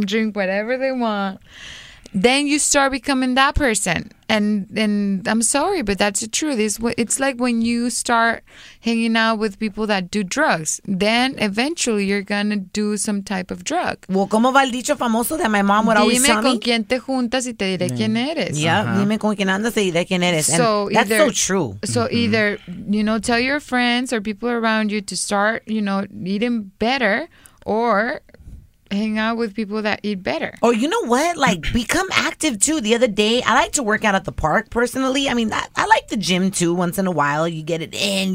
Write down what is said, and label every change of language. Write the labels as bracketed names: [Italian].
[English] drink whatever they want, then you start becoming that person. And I'm sorry, but that's the truth. It's like when you start hanging out with people that do drugs, then eventually you're going to do some type of drug. Well, [Spanish] como va el dicho famoso [English] that my mom would always tell me? [Spanish] Dime con quién te juntas y te diré quién eres. Yeah, dime con quién andas y diré quién eres. [English] That's so true. So either, you know, tell your friends or people around you to start, you know, eating better or hang out with people that eat better. Oh, you know what? Like, become active, too. The other day, I like to work out at the park, personally. I mean, I like the gym, too, once in a while. You get it in.